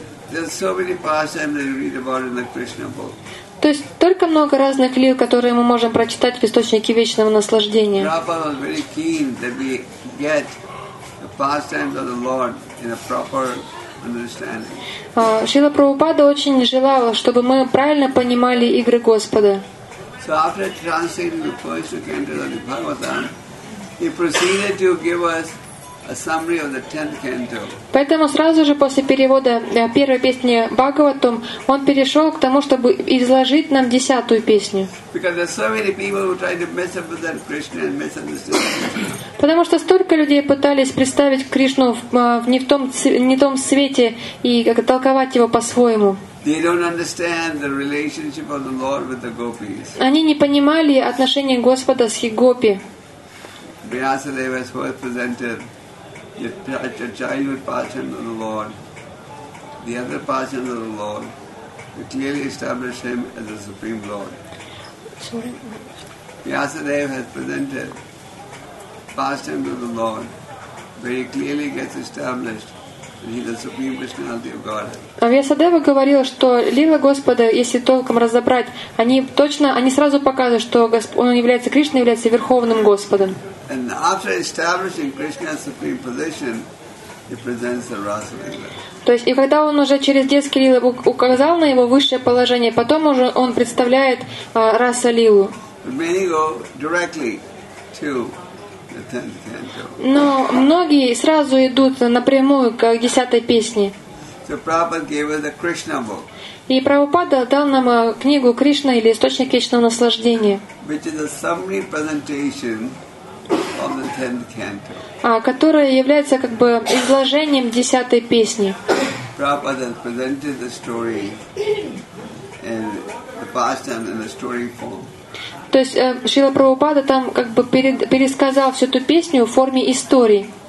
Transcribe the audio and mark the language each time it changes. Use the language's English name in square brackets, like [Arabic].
[English] There's so many pastimes that you read about in the Krishna book. [Russian] То есть только много разных лил, которые мы можем прочитать в источнике вечного наслаждения. [English] Prabhupada was very keen that we get the pastimes of the Lord in a proper understanding. [Russian] Шрила Прабхупада очень желал, чтобы мы правильно понимали игры Господа. [English] So after translating the first two cantos of the Bhagavatam, he proceeded to give us a summary of the 10th canto. [Russian] Поэтому сразу же после перевода первой песни Бхагаватам он перешел к тому, чтобы изложить нам 10-ю песню. [English] Because there are so many people who try to misrepresent Krishna and misunderstand. [Russian] Потому что столько людей пытались представить Кришну не в том свете и как толковать его по-своему. [English] They don't understand the relationship of the Lord with the gopis. [Russian] Они не понимали отношения Господа с гопи. [English] Vyasadeva was presented the childhood pastimes of the Lord, the other pastimes of the Lord, to clearly establish Him as the Supreme Lord. Vyasadeva has presented pastimes of the Lord, where He clearly gets established that He is the Supreme Personality of Godhead. [Russian] Vyasadeva говорил, что лила Господа, если толком разобрать, они сразу показывают, что Он является Кришна, является Верховным Господом. [English] And after establishing Krishna's supreme position, he presents the Rasa Lila. [Russian] То есть, и когда он уже через детские лилы указал на его высшее положение, потом уже он представляет Раса Лилу. [English] Many go directly to the 10th canto. [Russian] Но многие сразу идут напрямую к 10-й песне. [English] So Prabhupada gave us the Krishna book. [Russian] И Прабхупада дал нам книгу Кришна или источник вечного наслаждения. [English] Which is a summary presentation. of the tenth canto. [Russian] Которая является как бы изложением десятой песни. [English] Prabhupada presented the story and the pastime in the story form. [Russian] То есть Шрила Прабхупада там как бы пересказал всю эту песню в форме истории.